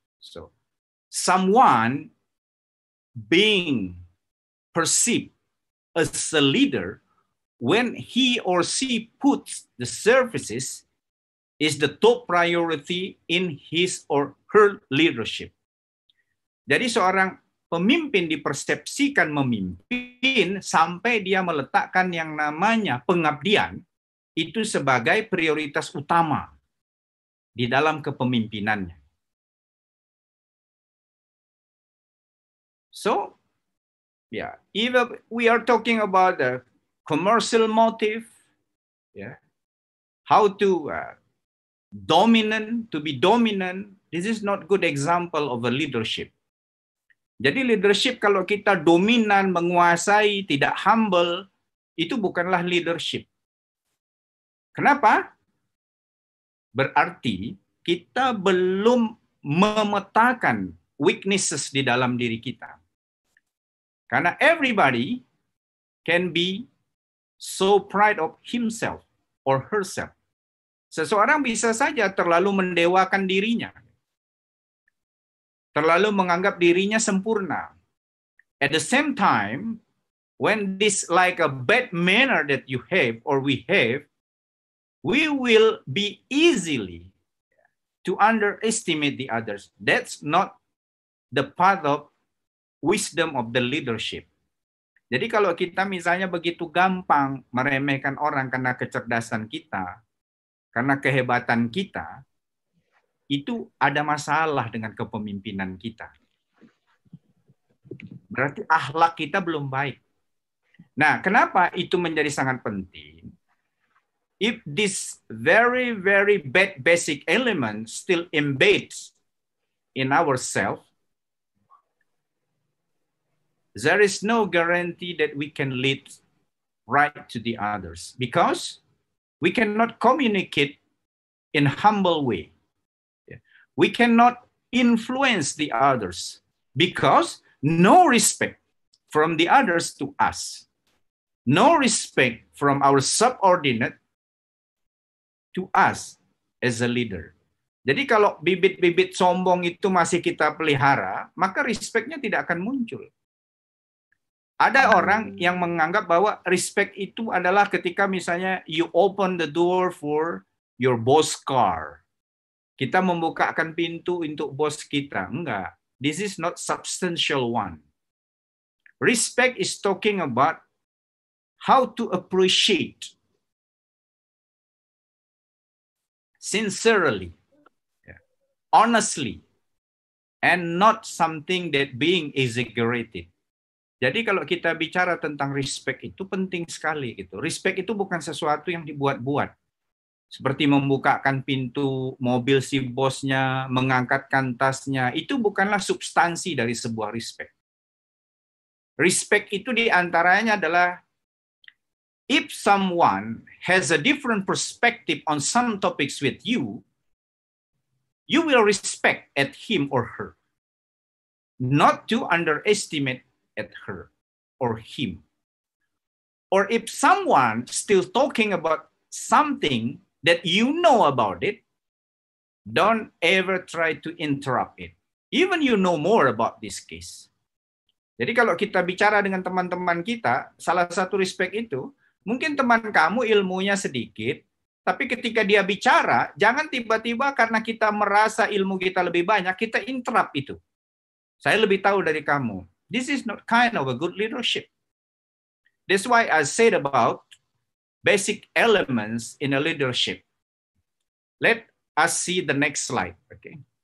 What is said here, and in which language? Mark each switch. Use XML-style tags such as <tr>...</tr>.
<en>So someone being perceived as a leader when he or she puts the services is the top priority in his or her leadership.</en> <id>Jadi seorang pemimpin dipersepsikan memimpin sampai dia meletakkan yang namanya pengabdian itu sebagai prioritas utama di dalam kepemimpinannya.</id> <en>So, yeah, even we are talking about the commercial motive, yeah, how to be dominant, this is not good example of a leadership.</en> <id>Jadi leadership kalau kita dominan, menguasai, tidak humble, itu bukanlah leadership. Kenapa? Berarti kita belum memetakan weaknesses di dalam diri kita. Karena</id> <en>everybody can be so proud of himself or herself.</en> <id>Seseorang bisa saja terlalu mendewakan dirinya. Terlalu menganggap dirinya sempurna.</id> <en>At the same time, when this like a bad manner that you have or we have, we will be easily to underestimate the others. That's not the path of wisdom of the leadership.</en> <id>Jadi kalau kita misalnya begitu gampang meremehkan orang karena kecerdasan kita, karena kehebatan kita, itu ada masalah dengan kepemimpinan kita. Berarti akhlak kita belum baik. Nah, kenapa itu menjadi sangat penting?</id> <en>if this very, very bad basic element still embeds in ourselves, there is no guarantee that we can lead right to the others, because we cannot communicate in humble way. We cannot influence the others because no respect from the others to us, no respect from our subordinate to us as a leader.</en> <id>Jadi kalau bibit-bibit sombong itu masih kita pelihara, maka respectnya tidak akan muncul. Ada orang yang menganggap bahwa respect itu adalah ketika misalnya</id> <en>you open the door for your boss car.</en> <id>Kita membukakan pintu untuk bos kita. Enggak.</id> <en>This is not substantial one. Respect is talking about how to appreciate sincerely, honestly, and not something that being exaggerated.</en> <id>Jadi kalau kita bicara tentang respect itu penting sekali gitu. Respect itu bukan sesuatu yang dibuat-buat. Seperti membukakan pintu mobil si bosnya, mengangkatkan tasnya, itu bukanlah substansi dari sebuah respect.</id> <en>Respect</en> <id>itu diantaranya adalah</id> <en>if someone has a different perspective on some topics with you, you will respect at him or her. Not to underestimate at her or him. Or if someone still talking about something that you know about it, don't ever try to interrupt it. Even you know more about this case.</en> <id>Jadi kalau kita bicara dengan teman-teman kita, salah satu respect itu, mungkin teman kamu ilmunya sedikit, tapi ketika dia bicara, jangan tiba-tiba karena kita merasa ilmu kita lebih banyak, kita interrupt itu. Saya lebih tahu dari kamu.</id> <en>This is not kind of a good leadership. That's why I said about basic elements in a leadership. Let us see the next slide. Okay.</en>